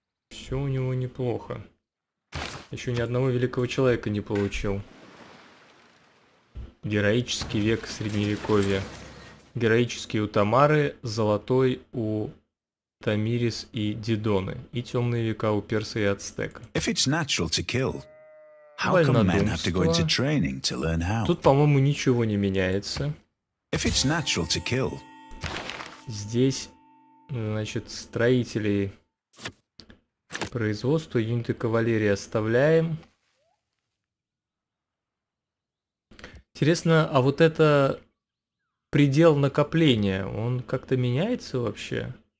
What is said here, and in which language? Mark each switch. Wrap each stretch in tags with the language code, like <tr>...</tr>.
<ru>Все у него неплохо. Еще ни одного великого человека не получил. Героический век средневековья. Героический у Тамары, золотой у Тамирис и Дидоны, и темные века у Перса и Ацтека.</ru> <en>If it's natural to kill, how come men have to go into training to learn how?</en> <ru>Тут, по-моему, ничего не меняется.</ru> <en>If it's natural to kill.</en> <ru>Здесь, значит, строителей производства, юниты кавалерии оставляем. Интересно, а вот это предел накопления, он как-то меняется вообще?</ru>